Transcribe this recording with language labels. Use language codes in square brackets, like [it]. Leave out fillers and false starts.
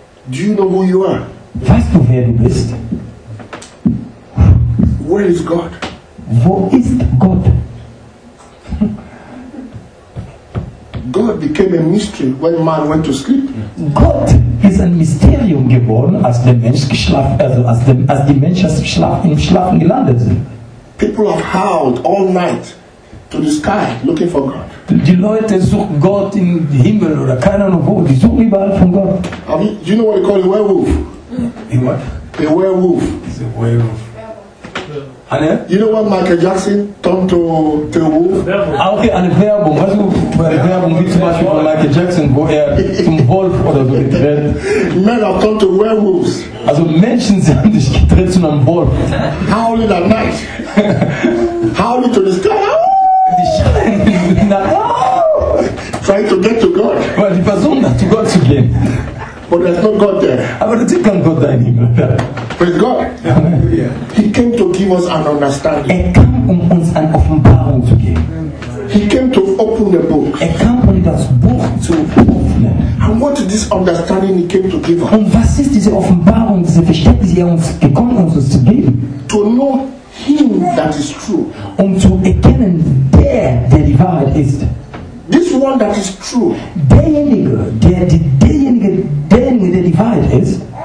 [en] Do you know who you are? [de] Weißt du, wer du bist? [en] Where is God? [de] Wo ist Gott? [en] God became a mystery when man went to sleep. [de] Gott ist ein Mysterium geworden, als der Mensch im Schlafen gelandet sind. [en] People have howled all night to the sky looking for God. [de] Die Leute suchen Gott im Himmel oder keine Ahnung wo. Die suchen überall von Gott. [en] You know what they call a werewolf? A what? A werewolf. It's a werewolf. You know what Michael Jackson turned to a wolf? [de] Ah, okay, eine Werbung. Weißt du, bei der Werbung, wie zum Beispiel von Michael Jackson, wo er zum Wolf oder so gedreht. [en] Men have turned to werewolves. [de] Also Menschen haben sich gedreht zu einem Wolf. [en] Howling at night. Howling to the sky. Trying to get to God. [de] Weil die versuchen, nach zu Gott zu gehen. [en] But there's no God there. [de] Aber es gibt keinen Gott da in ihm. [en] Praise God. Yeah. He came to give us an understanding. [de] Er kam, um uns eine Offenbarung zu geben. [en] He came to open the book. [de] Er kam, um das Buch zu öffnen. [en] And what is this understanding he came to give us? [de] Und was ist diese Offenbarung, diese Verständnis, die er uns gekommen ist, uns zu geben? [en] To know him that is true. [de] Um zu erkennen, der die Wahrheit ist. [en] This one that is true. [de] Derjenige, der die Wahrheit ist,